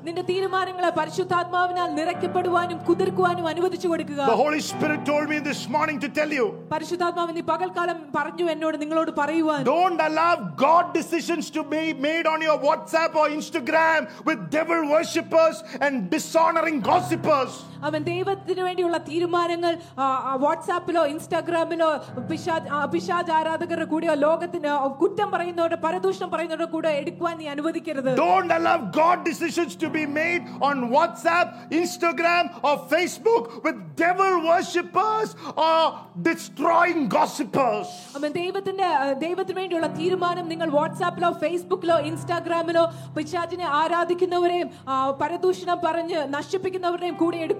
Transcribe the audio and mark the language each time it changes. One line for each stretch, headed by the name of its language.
English: The Holy Spirit told me this morning to tell you, don't allow God decisions to be made on your WhatsApp or Instagram with devil worshippers and dishonoring gossipers.
Malayalam: അവൻ ദൈവത്തിന് വേണ്ടിയുള്ള തീരുമാനങ്ങൾ വാട്സാപ്പിലോ ഇൻസ്റ്റാഗ്രാമിലോ പിശാച് ആരാധകരുടെ കൂടെയോ ലോകത്തിന് കുറ്റം പറയുന്നവരുടെ പരദൂഷണം പറയുന്നവരുടെ കൂടെ എടുക്കുവാൻ നീ അനുവദിക്കരുത്.
English: Don't allow God decisions to be made on WhatsApp, Instagram or Facebook with devil worshippers or destroying gossipers.
Malayalam: അവൻ ദൈവത്തിന് വേണ്ടിയുള്ള തീരുമാനം നിങ്ങൾ വാട്സാപ്പിലോ ഫേസ്ബുക്കിലോ ഇൻസ്റ്റാഗ്രാമിലോ പിശാചിനെ ആരാധിക്കുന്നവരെയും പരദൂഷണം പറഞ്ഞ് നശിപ്പിക്കുന്നവരുടെയും കൂടെ.